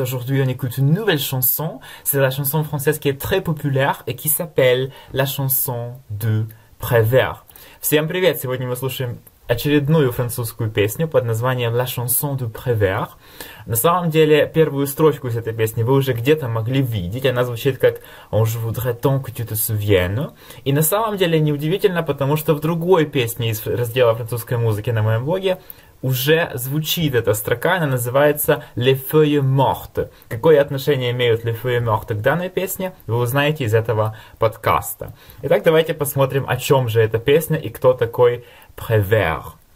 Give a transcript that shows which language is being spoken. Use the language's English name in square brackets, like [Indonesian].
[French] Aujourd'hui, on écoute une nouvelle chanson. C'est la chanson française qui est très populaire et qui s'appelle la chanson de Prévert. [Russian] Всем привет! Сегодня мы слушаем очередную французскую песню под названием «La chanson de Prévert». На самом деле, первую строчку из этой песни вы уже где-то могли видеть. Она звучит как [French] «On je voudrais tant que tu te souviennes». [Russian] И на самом деле, неудивительно, потому что в другой песне из раздела французской музыки на моем блоге уже звучит эта строка, она называется «Les feuilles mortes». Какое отношение имеют «Les feuilles mortes» к данной песне, вы узнаете из этого подкаста. Итак, давайте посмотрим, о чем же эта песня и кто такой Prévert.